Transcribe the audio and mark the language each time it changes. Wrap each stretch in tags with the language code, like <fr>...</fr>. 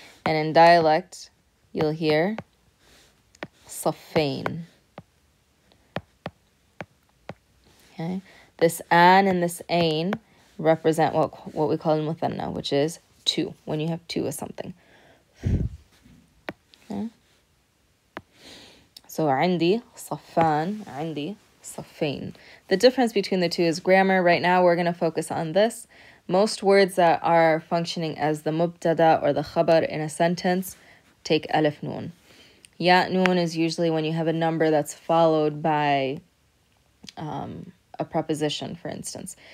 <en>And in dialect, you'll hear صفين. Okay? This an and this ain represent what we call المثنى, which is 2, when you have 2 of something. Okay?</en> <ar>So عندي صفان, عندي صفين.</ar> <en>The difference between the two is grammar. Right now, we're going to focus on this. Most words that are functioning as the mubtada or the khabar in a sentence take alif noon. Ya noon is usually when you have a number that's followed by a preposition, for instance.</en>